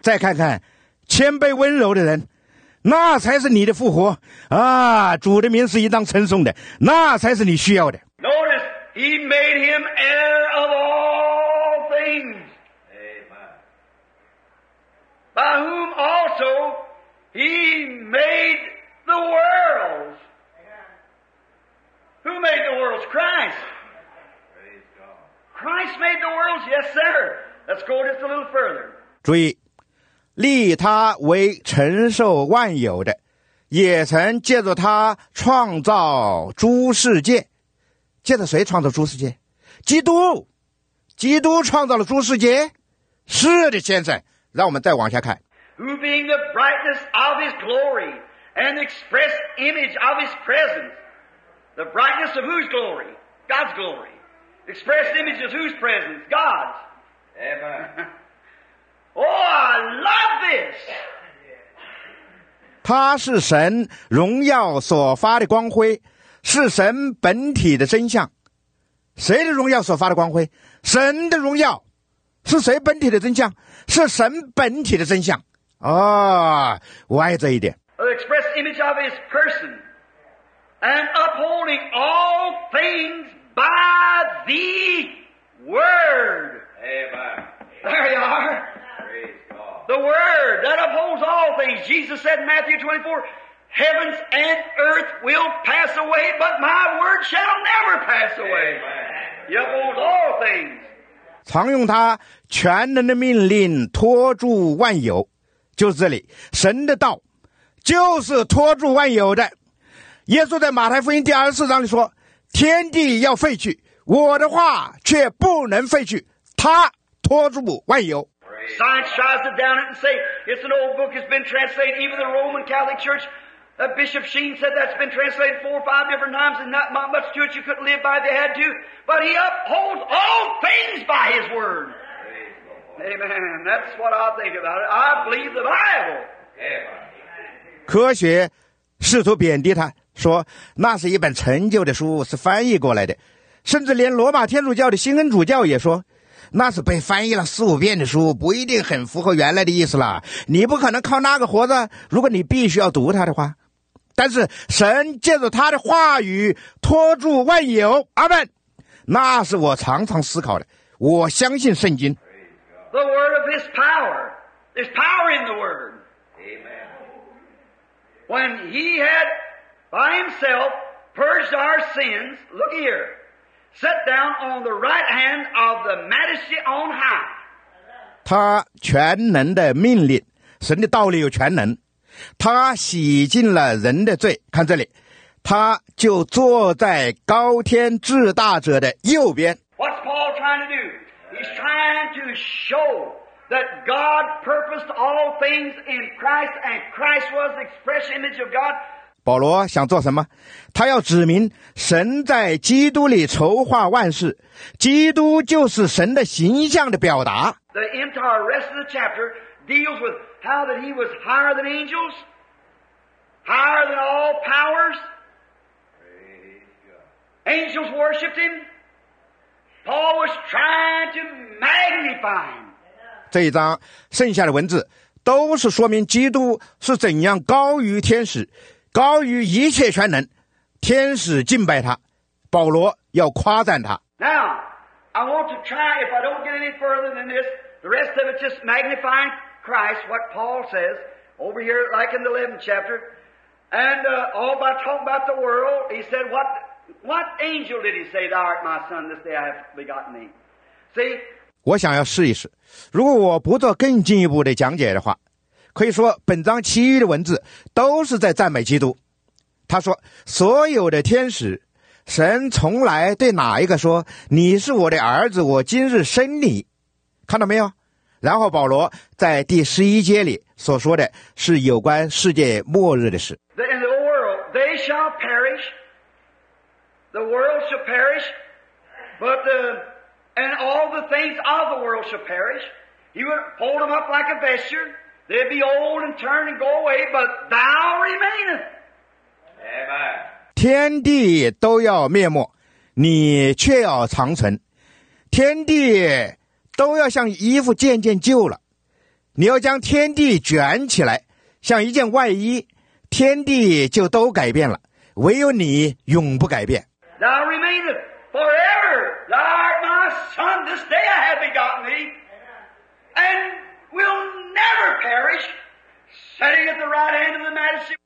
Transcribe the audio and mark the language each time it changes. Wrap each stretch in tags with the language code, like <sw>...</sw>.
<zh>再看看谦卑温柔的人，那才是你的复活啊！主的名是应当称颂的，那才是你需要的。</zh> <en>Notice he made him heir of all things. Amen. By whom also he made the worlds. Who made the worlds? Christ. made the worlds. Yes, sir. Let's go just a little further.</en> <zh>注意，立他为承受万有的，也曾借着他创造诸世界。借着谁创造诸世界？基督，基督创造了诸世界。是的，先生。让我们再往下看。</zh> <en>Who being the brightness of his glory and express image of his presence, the brightness of whose glory? God's glory. Express image of whose presence? God's. Amen. Oh, I love this.</en> <zh>他是神荣耀所发的光辉，是神本体的真相。谁的荣耀所发的光辉？神的荣耀。是谁本体的真相？是神本体的真相。哦，我爱这一点。</zh> <en>Express image of his person and upholding all things by the word. Amen. There you are. The word that upholds all things. Jesus said in Matthew 24, heavens and earth will pass away, but my word shall never pass away. Amen. He upholds all things.</en> <zh>常用他全能的命令托住万有，就是这里，神的道就是托住万有的。耶稣在马太福音第24章里说，天地要废去，我的话却不能废去，他托住万有。</zh> <en>Science tries to down it and say it's an old book, it's been translated, even the Roman Catholic Church, Bishop Sheen said that's been translated 4 or 5 different times and not much to it, you couldn't live by it, they had to, but he upholds all things by his word. Amen. That's what I think about it. I believe the Bible. Amen.</en> <zh>科学试图贬低他，说那是一本陈旧的书，是翻译过来的。甚至连罗马天主教的新恩主教也说，那是被翻译了4、5遍的书，不一定很符合原来的意思了。你不可能靠那个活着，如果你必须要读它的话。但是神借着他的话语托住万有，阿们。那是我常常思考的。我相信圣经。</zh> <en>The word of his power. There's power in the word. Amen. When he had by himself purged our sins, look here, sat down on the right hand of the majesty on high.</en> <zh>他全能的命令，神的道理有全能，他洗净了人的罪。看这里，他就坐在高天至大者的右边。</zh> <en>What's Paul trying to do? He's trying to show. That God purposed all things in Christ, and Christ was the express image of God.</en> <zh>保罗想做什么？他要指明神在基督里筹划万事，基督就是神的形象的表达。</zh> <en>The entire rest of the chapter deals with how that he was higher than angels, higher than all powers. Angels worshipped him. Paul was trying to magnify him.</en> <zh>这一章剩下的文字都是说明基督是怎样高于天使，高于一切全能，天使敬拜他，保罗要夸赞他。</zh> <en>Now I want to try, if I don't get any further than this, the rest of it just magnifying Christ, what Paul says over here like in the 11th chapter, and all by talking about the world, he said, what angel did he say, thou art my son, this day I have begotten thee? See,</en> <zh>我想要试一试，如果我不做更进一步的讲解的话，可以说本章其余的文字都是在赞美基督。他说，所有的天使，神从来对哪一个说，你是我的儿子，我今日生你，看到没有？然后保罗在第11节里所说的是有关世界末日的事。</zh> <en>The world, they shall perish, the world shall perish, but theAnd all the things of the world shall perish. He would hold them up like a vesture. They'd be old and turn and go away, but thou remainest. Amen.</en> <zh>天地都要灭没，你却要长存。天地都要像衣服渐渐旧了，你要将天地卷起来，像一件外衣，天地就都改变了，唯有你永不改变。</zh> <en>Thou remainest forever. Thou art my son, this day I have begotten thee, and will never perish, sitting at the right hand of the majesty.</en>